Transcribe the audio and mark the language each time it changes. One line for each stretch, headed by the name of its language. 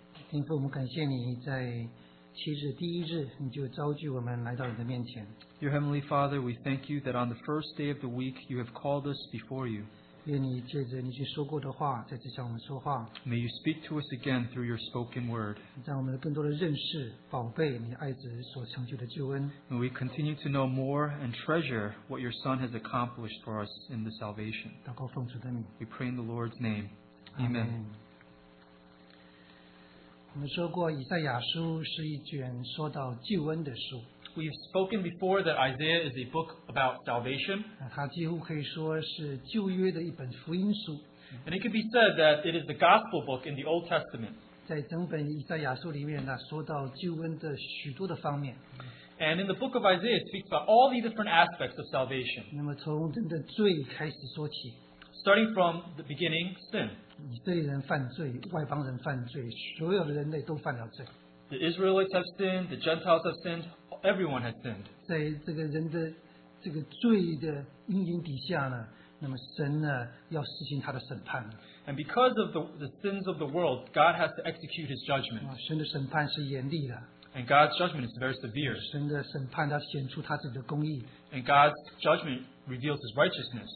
Chinese: 天父，我们感谢你在七日第一日，你就召聚我们来到你的面前。
English: Dear Heavenly Father, we thank you that on the first day of the week, you have called us before you.
Chinese: 愿你借着你已经说过的话再次向我们说话。
English: May you speak to us again through your spoken word.
Chinese: 让我们更多的认识宝贝你爱子所成就的救恩。
English: May we continue to know more and treasure what your son has accomplished for us in the salvation.
Chinese: 祷告奉主的名。
English: We pray in the Lord's name. Amen.
Chinese: 我们说过以赛亚书是一卷说到救恩的书。
English: We've spoken before that Isaiah is a book about salvation.
Chinese: 它几乎可以说是旧约的一本福音书。
English: And it could be said that it is the gospel book in the Old Testament.
Chinese: 在整本以赛亚书里面呢，说到救恩的许多的方面。
English: And in the book of Isaiah, it speaks about all the different aspects of salvation.
Chinese: 那么从人的罪开始说起。
English: Starting from the beginning, sin.
Chinese: 以色列人犯罪，外邦人犯罪，所有的人类都犯了罪。
English: The Israelites have sinned. The Gentiles have sinned. Everyone has sinned.
Chinese: 在这个人的这个罪的阴影底下呢，那么神呢要施行他的审判。
English: And because of the sins of the world, God has to execute His judgment.
Chinese: 神的审判是严厉的。
English: And God's judgment is very severe.
Chinese: 神的审判他显出他自己的公义。
English: And God's judgment reveals His righteousness.